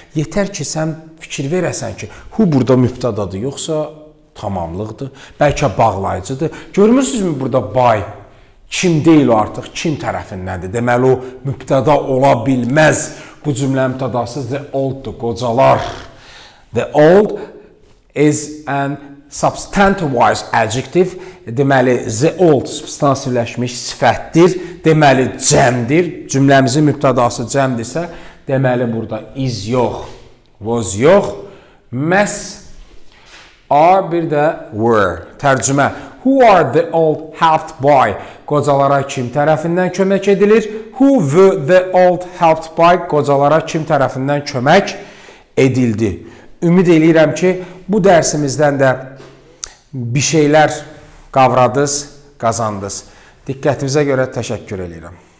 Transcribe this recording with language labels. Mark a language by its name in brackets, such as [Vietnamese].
[Azerbaijani] Yetər ki, sən fikir verəsən ki, who burada mübtədadır, yoxsa tamamlıqdır, bəlkə bağlayıcıdır. Görmürsünüzmü burada by, kim deyil o artıq, kim tərəfindədir? Deməli, o mübtəda ola bilməz. Bu cümlə mübtədası the old-dur, qocalar. [English] The old is an substantive-wise adjective. [Azerbaijani] Deməli, the old substantivləşmiş sifətdir. Deməli, cəmdir. Cümləmizin mübtədası cəmdirsə, deməli, burada is yox, was yox. Must are bir də were. Tərcümə, [English] who are the old helped by? [Azerbaijani] Qocalara kim tərəfindən kömək edilir? [English] Who were the old helped by? [Azerbaijani] Qocalara kim tərəfindən kömək edildi? Ümid edirəm ki, bu dərsimizdən də bir şeylər qavradınız, qazandınız. Diqqətinizə görə təşəkkür edirəm.